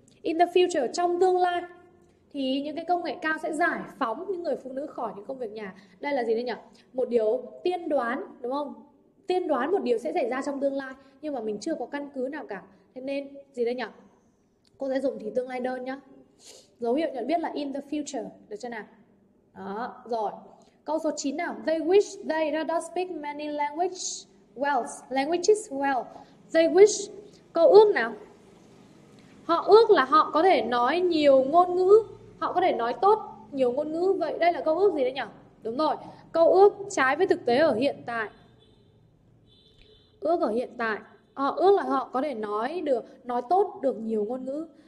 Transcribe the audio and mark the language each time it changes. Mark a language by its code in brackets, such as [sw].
[en] In the future, [vi] trong tương lai, thì những cái công nghệ cao sẽ giải phóng những người phụ nữ khỏi những công việc nhà. Đây là gì đây nhỉ? Một điều tiên đoán, đúng không? Tiên đoán một điều sẽ xảy ra trong tương lai, nhưng mà mình chưa có căn cứ nào cả. Thế nên, gì đây nhỉ? Cô sẽ dùng thì tương lai đơn nhá. Dấu hiệu nhận biết là [en] in the future, [vi] được chưa nào? Đó, rồi. Câu số 9 nào. [en] They wish they do not speak many language well. Languages well. They wish. [vi] Câu ước nào. Họ ước là họ có thể nói nhiều ngôn ngữ. Họ có thể nói tốt nhiều ngôn ngữ. Vậy đây là câu ước gì đấy nhỉ? Đúng rồi. Câu ước trái với thực tế ở hiện tại. Ước ở hiện tại. Họ ước là họ có thể nói được, nói tốt được nhiều ngôn ngữ.